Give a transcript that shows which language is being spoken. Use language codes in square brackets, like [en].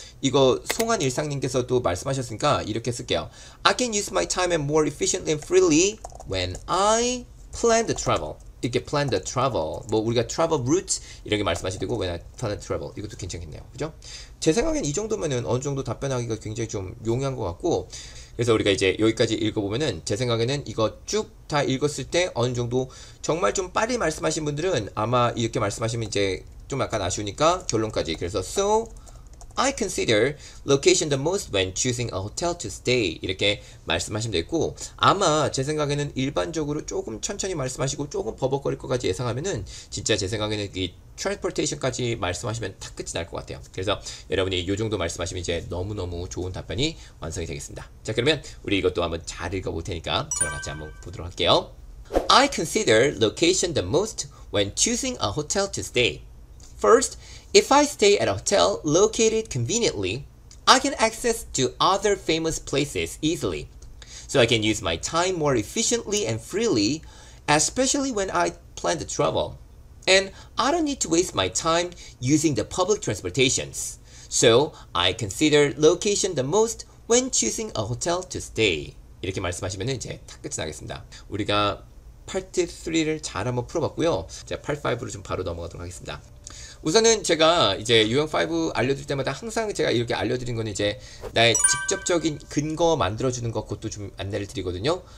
[ko] 이거 송한 일상님께서도 말씀하셨으니까 이렇게 쓸게요. [en] I can use my time more efficiently and freely when I plan the travel. [ko] 이렇게 plan the travel, 뭐 우리가 travel route 이렇게 말씀하시고 [en] when I plan the travel [ko] 이것도 괜찮겠네요, 그죠? 제 생각엔 이 정도면은 어느 정도 답변하기가 굉장히 좀 용이한 것 같고 그래서 우리가 이제 여기까지 읽어보면은 제 생각에는 이거 쭉 다 읽었을 때 어느 정도 정말 좀 빨리 말씀하신 분들은 아마 이렇게 말씀하시면 이제 좀 약간 아쉬우니까 결론까지 그래서 [en] so I consider location the most when choosing a hotel to stay. [ko] 이렇게 말씀하시면 되고 아마 제 생각에는 일반적으로 조금 천천히 말씀하시고 조금 버벅거릴 것까지 예상하면은 진짜 제 생각에는 이 transportation까지 말씀하시면 다 끝이 날 것 같아요. 그래서 여러분이 이 정도 말씀하시면 이제 너무너무 좋은 답변이 완성이 되겠습니다. 자, 그러면 우리 이것도 한번 잘 읽어볼 테니까 저랑 같이 한번 보도록 할게요. [en] I consider location the most when choosing a hotel to stay. First, if I stay at a hotel located conveniently, I can access to other famous places easily. So I can use my time more efficiently and freely, especially when I plan to travel. And I don't need to waste my time using the public transportations. So I consider location the most when choosing a hotel to stay. [ko] 이렇게 말씀하시면 이제 탁 끝이 나겠습니다. 우리가 파트 3를 잘 한번 풀어봤고요. 이제 파트 5로 좀 바로 넘어가도록 하겠습니다. 우선은 제가 이제 유형 5 알려드릴 때마다 항상 제가 이렇게 알려드린 건 이제 나의 직접적인 근거 만들어주는 것 그것도 좀 안내를 드리거든요.